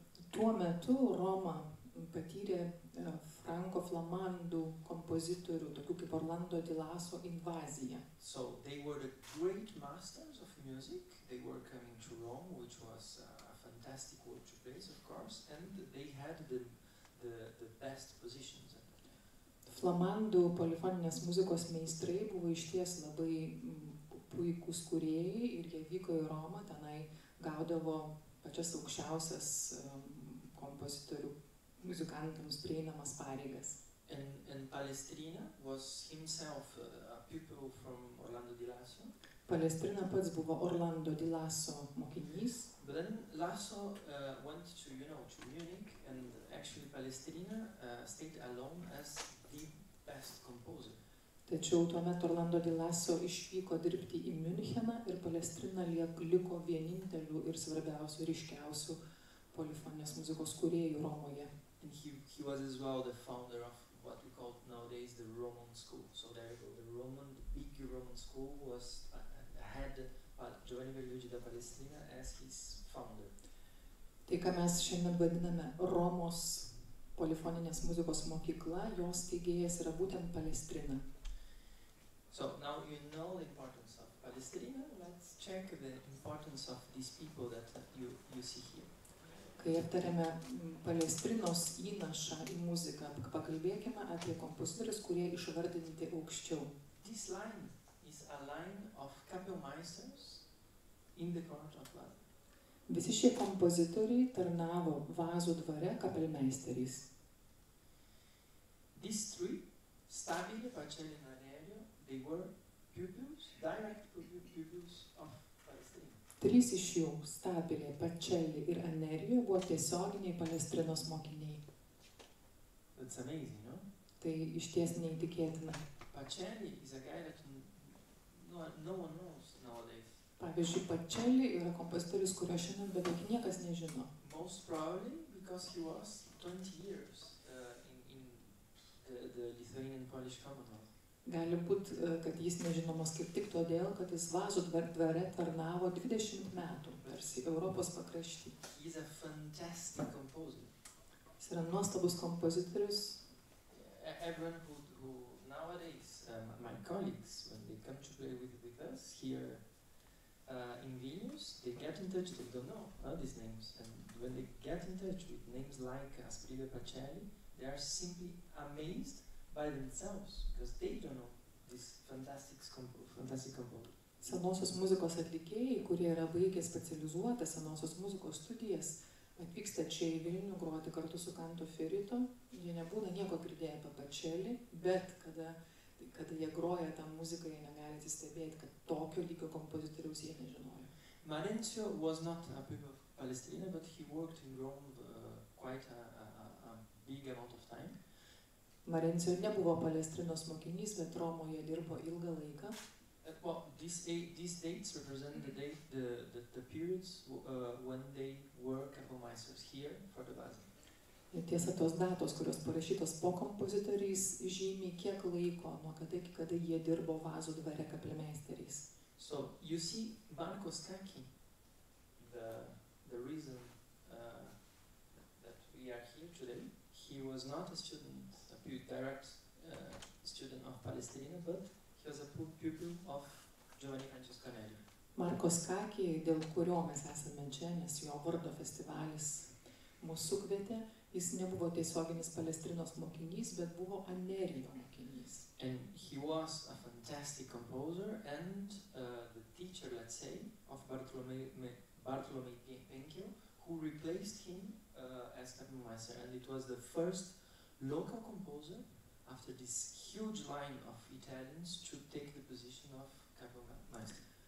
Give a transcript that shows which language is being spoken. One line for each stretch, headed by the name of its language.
Lithuanian: Tuo metu Roma flamandų kompozitorių, tokių kaip Orlando di Lasso, invazija.
English: So they were the great masters of music. They were coming to Rome, which was a fantastic culture base, of course, and they had the best positions.
Lithuanian: Flamandų polifoninės muzikos meistrai buvo išties labai puikūs kūrėjai ir jie vyko į Romą, tenai gaudavo pačias aukščiausias kompozitorių muzikantams prieinamas pareigas.
English: And Palestrina was himself a pupil from Orlando di Lasso.
Lithuanian: Palestrina pats buvo Orlando di Lasso mokinys.
English: But then Lasso went to, you know, to Munich, and actually Palestrina stayed alone as the best composer.
Lithuanian: Tačiau tuomet Orlando di Lasso išvyko dirbti į Müncheną ir Palestrina liko vieninteliu ir svarbiausiu, ryškiausiu polifoninės muzikos kūrėjų Romoje.
English: And he was as well the founder of what we call nowadays the Roman school. So there you go, the big Roman school was had Giovanni Bellucci da Palestrina as his founder.
Lithuanian: Tai, ką mes šiandien vadiname Romos polifoninės muzikos mokykla, jos steigėjas yra būtent Palestrina.
English: So now you know the importance of Palestrina, let's check the importance of these people that you see here.
Lithuanian: Kai aptarėme Palestrinos įnašą į muziką, pakalbėkime apie kompozitorius, kurie išvardinti aukščiau.
English: This line is a line of kapelmeisters in the court of Vlad.
Lithuanian: Visi šie kompozitoriai tarnavo Vazų dvare kapelmeisteriais.
English: These three, Stabile, Pacelli and Arielio, they were pupils, direct pupils of Palestrina.
Lithuanian: Trys iš jų, Stabile, Pacelli ir Anerio, buvo tiesioginiai Palestrinos mokiniai.
English: That's amazing, no?
Lithuanian: Tai išties neįtikėtina.
English: Pacelli is a guy that no one knows nowadays.
Lithuanian: Pavyzdžiui, Pacelli yra kompozitorius, kurio šiandien beveik niekas nežino.
English: Most probably because he was 20 years in the Lithuanian Polish Commonwealth.
Lithuanian: Gali būt, kad jis nežinomas kaip tik todėl, kad jis Vazų dvare tarnavo 20 metų, tarsi Europos pakrašty.
English: He's a fantastic composer.
Lithuanian: Jis yra nuostabus kompozitorius.
English: Everyone who nowadays, my colleagues, when they come to play with us here in Vilnius, they get in touch, they don't know these names. And when they get in touch with names like Asprilio Pacelli, they are simply amazed by themselves, because they don't know this fantastic composer.
Lithuanian: Senosios muzikos atlikėjai, kurie yra baigę specializuotas senosios muzikos studijas, atvyksta čia į Vilnių groti kartu su Canto Ferrito. Jie nebūna nieko girdėję apie Pacelli, bet kada jie groja tą muziką, jie negali atsistebėti, kad tokio lygio kompozitoriaus jie nežinojo.
English: Marenzio was not a pupil of Palestrina, but he worked in Rome quite a big amount of time.
Lithuanian: Marenzio nebuvo Palestrinos mokinys, bet Romoje dirbo ilgą laiką.
English: Well, these dates represent the date, the periods when they were kapelmeisters here for the Vazai.
Lithuanian: Tiesa, tos datos, kurios parašytos po kompozitoriais, žymi kiek laiko, nuo kada iki kada jie dirbo Vazų dvare kapelmeisteriais.
English: So, you see, Marko Skaki, the reason that we are here today, he was not a student, a direct student of Palestrina, but he was a pupil of Giovanni Francesco Neri.
Lithuanian: Marko Skaki, dėl kurio mes esame čia, nes jo vardo festivalis mūsų sukvietė, jis nebuvo tiesioginis Palestrinos mokinys, bet buvo Anerio mokinys.
English: And he was a fantastic composer and the teacher, let's say, of Bartolomei Penkio, who replaced him as kapelmeister, and it was the first local composer after this huge line of Italians to take the position of kapelmeister.